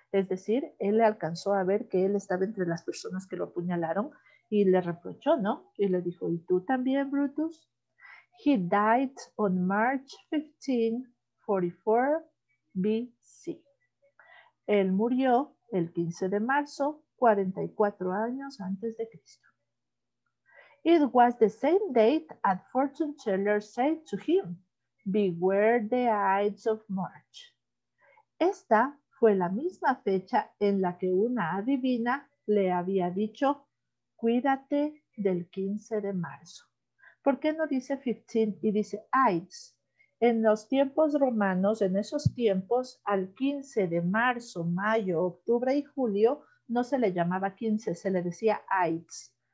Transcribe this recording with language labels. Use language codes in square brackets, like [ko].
[es] Es decir, él le alcanzó a ver que él estaba entre las personas que lo apuñalaron y le reprochó, ¿no? Y le dijo, ¿y tú también, Brutus? [en] He died on March 1544 BC. [es] Él murió el 15 de marzo, 44 años antes de Cristo. [en] It was the same date as fortune teller said to him, beware the Ides of March. [es] Esta fue la misma fecha en la que una adivina le había dicho, cuídate del 15 de marzo. ¿Por qué no dice 15 y dice Ides? En los tiempos romanos, en esos tiempos, al 15 de marzo, mayo, octubre y julio, no se le llamaba 15, se le decía Ides.